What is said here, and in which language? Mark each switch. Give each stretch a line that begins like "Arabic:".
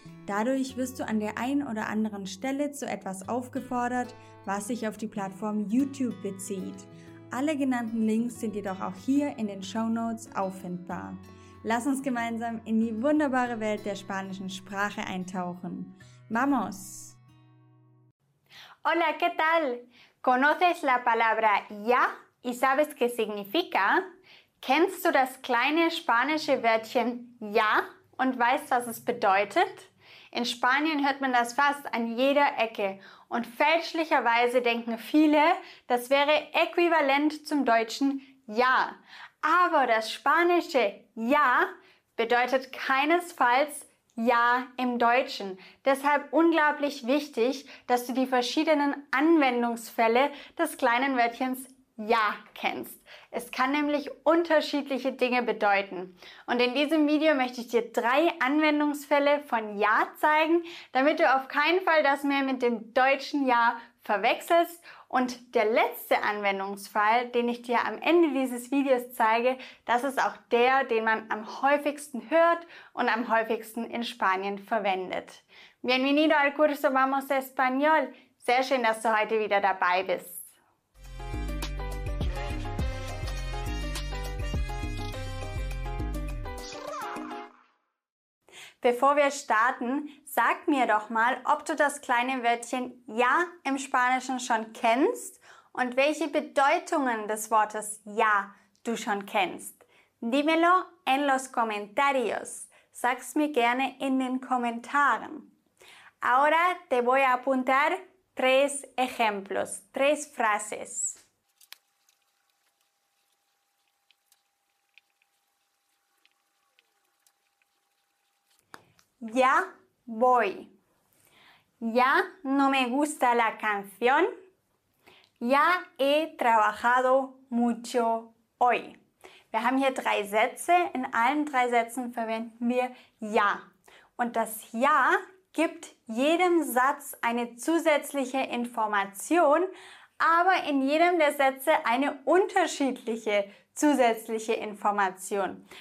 German: Dadurch wirst du an der einen oder anderen Stelle zu etwas aufgefordert, was sich auf die Plattform YouTube bezieht. Alle genannten Links sind jedoch auch hier in den Shownotes auffindbar. Lass uns gemeinsam in die wunderbare Welt der spanischen Sprache eintauchen.
Spanish: ¡Vamos! Hola, ¿qué tal? ¿Conoces la palabra ya y sabes qué significa?
German: Kennst du das kleine spanische Wörtchen ja und weißt, was es bedeutet? In Spanien hört man das fast an jeder Ecke und fälschlicherweise denken viele, das wäre äquivalent zum deutschen Ja. Aber das spanische Ja bedeutet keinesfalls Ja im Deutschen. Deshalb unglaublich wichtig, dass du die verschiedenen Anwendungsfälle des kleinen Wörtchens Ja kennst. Es kann nämlich unterschiedliche Dinge bedeuten. Und in diesem Video möchte ich dir 3 Anwendungsfälle von Ja zeigen, damit du auf keinen Fall das mehr mit dem deutschen Ja verwechselst. Und der letzte Anwendungsfall, den ich dir am Ende dieses Videos zeige, das ist auch der, den man am häufigsten hört und am häufigsten in Spanien verwendet.
Spanish: Bienvenido al curso Vamos Español.
German: Sehr schön, dass du heute wieder dabei bist. Bevor wir starten, sag mir doch mal, ob du das kleine Wörtchen ja im Spanischen schon kennst und welche Bedeutungen des Wortes ja du schon kennst.
Spanish: Dímelo en los comentarios.
German: Sag's mir gerne in den Kommentaren.
Spanish: Ahora te voy a apuntar 3 ejemplos, 3 frases. Ya voy. Ya no me gusta la canción. Ya he trabajado mucho hoy.
German: Wir haben hier 3 Sätze. In allen 3 Sätzen verwenden wir ja. Und das ja gibt jedem Satz eine zusätzliche Information, aber in jedem der Sätze eine unterschiedliche zusätzliche Information.